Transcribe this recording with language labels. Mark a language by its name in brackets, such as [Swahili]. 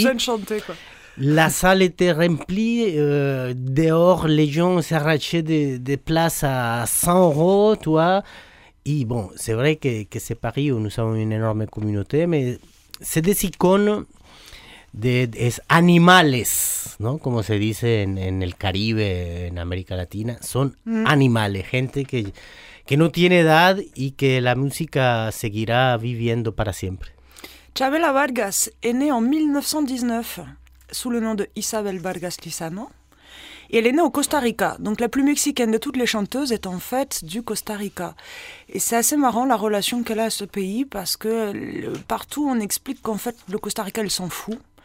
[French] Il n'y a plus besoin de chanter, quoi. La salle était remplie, dehors les gens s'arrachaient des places à 100 euros, tu vois. Et bon, c'est vrai que c'est Paris où nous avons une énorme communauté, mais c'est des icônes [Spanish] de es animales, ¿no? Como se dice en el Caribe, en América Latina, son animales, gente que no tiene edad y que la música seguirá viviendo para siempre. [French] Chavela Vargas est née en 1919 sous le nom de Isabel Vargas Lizano. Et elle est née au Costa Rica. Donc la plus mexicaine de toutes les chanteuses est en fait du Costa Rica. Et c'est assez marrant la relation qu'elle a à ce pays parce que partout on explique qu'en fait le Costa Rica elle s'en fout.